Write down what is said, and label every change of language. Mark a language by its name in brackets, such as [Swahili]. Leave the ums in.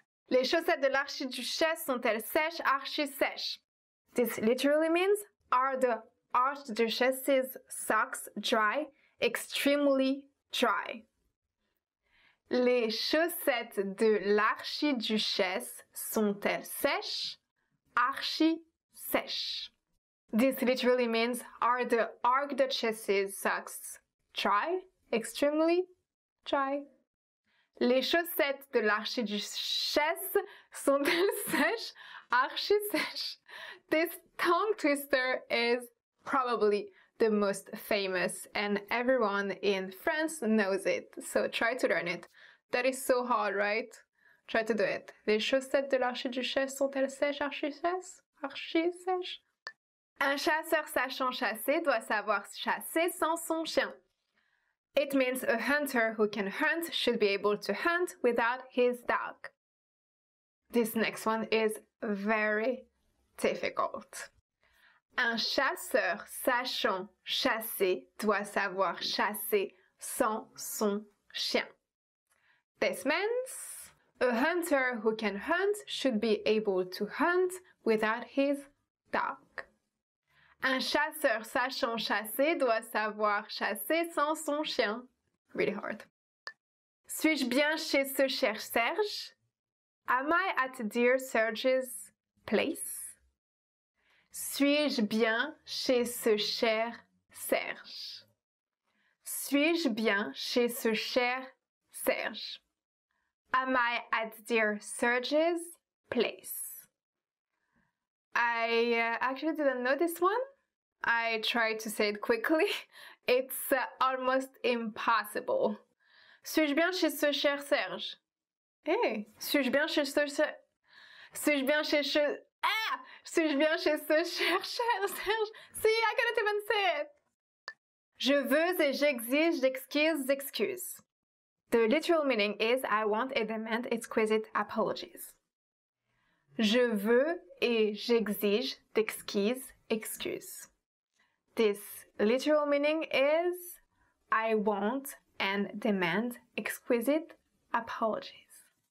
[French] Les chaussettes de l'archiduchesse sont-elles sèches, archi sèche. [English] This literally means, are the archduchess's socks dry? extremely dry. [French] Les chaussettes de l'archiduchesse sont-elles sèches? Archi sèche. [English] This literally means are the archduchess's socks dry? Extremely dry. [French] Les chaussettes de l'archiduchesse sont-elles sèches? Archi sèche. [English] This tongue twister is probably the most famous and everyone in France knows it. So try to learn it. That is so hard, right? Try to do it. [French] Les chaussettes de l'archiduchesse sont-elles sèches, archiduchesse? Archi-sèche? Un chasseur sachant chasser doit savoir chasser sans son chien. [English] It means a hunter who can hunt should be able to hunt without his dog. This next one is very difficult. [French] Un chasseur sachant chasser doit savoir chasser sans son chien. [English] This means a hunter who can hunt should be able to hunt without his dog. [French] Un chasseur sachant chasser doit savoir chasser sans son chien. [English] Really hard. [French] Suis-je bien chez ce cher Serge? [English] Am I at dear Serge's place? [French] Suis-je bien chez ce cher Serge Suis-je bien chez ce cher Serge [English] Am I at dear Serge's place I uh, actually didn't know this one. I tried to say it quickly. It's uh, almost impossible. [French] Suis-je bien chez ce cher Serge Eh, hey. suis-je bien chez ce Suis-je bien chez ce Si je viens chez ce cher, Serge, si, [English] I cannot even sit. [French] Je veux et j'exige d'excuses, excuses. [English] The literal meaning is I want and demand exquisite apologies. [French] Je veux et j'exige d'excuses, excuses. [English] This literal meaning is I want and demand exquisite apologies.